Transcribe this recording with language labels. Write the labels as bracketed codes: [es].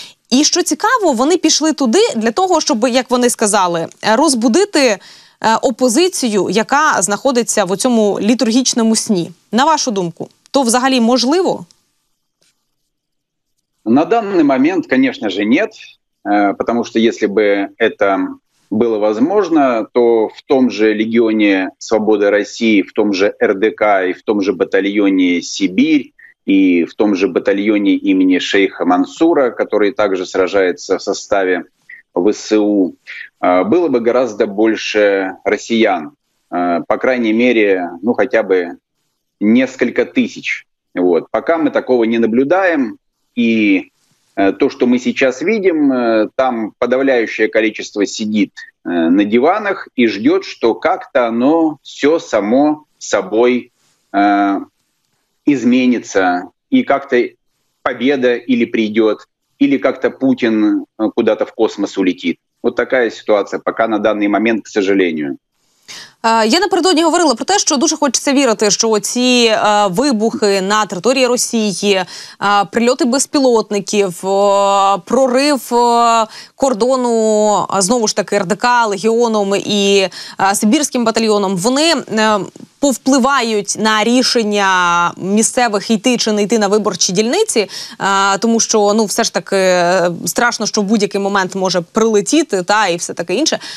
[uk] І що цікаво, вони пішли туди для того, щоб, як вони сказали, розбудити опозицію, яка знаходиться в цьому літургічному сні. На вашу думку, то взагалі можливо? На даний момент, звісно ж, ні. [ru] Потому что если бы это было возможно, то в том же Легионе Свободы России, в том же РДК и в том же батальоне «Сибирь» и в том же батальоне имени шейха Мансура, который также сражается в составе ВСУ, было бы гораздо больше россиян. По крайней мере, ну хотя бы несколько тысяч. Вот. Пока мы такого не наблюдаем, и то, что мы сейчас видим, там подавляющее количество сидит на диванах и ждет, что как-то оно все само собой изменится, и как-то победа или придет, или как-то Путин куда-то в космос улетит. Вот такая ситуация пока на данный момент, к сожалению. [uk] Я напередодні говорила про те, що дуже хочеться вірити, що ці вибухи на території Росії, прильоти безпілотників, прорив кордону, знову ж таки, РДК, Легіоном і Сибірським батальйоном, вони повпливають на рішення місцевих йти чи не йти на виборчі дільниці, тому що, ну, все ж таки, страшно, що в будь-який момент може прилетіти, та, і все таке інше.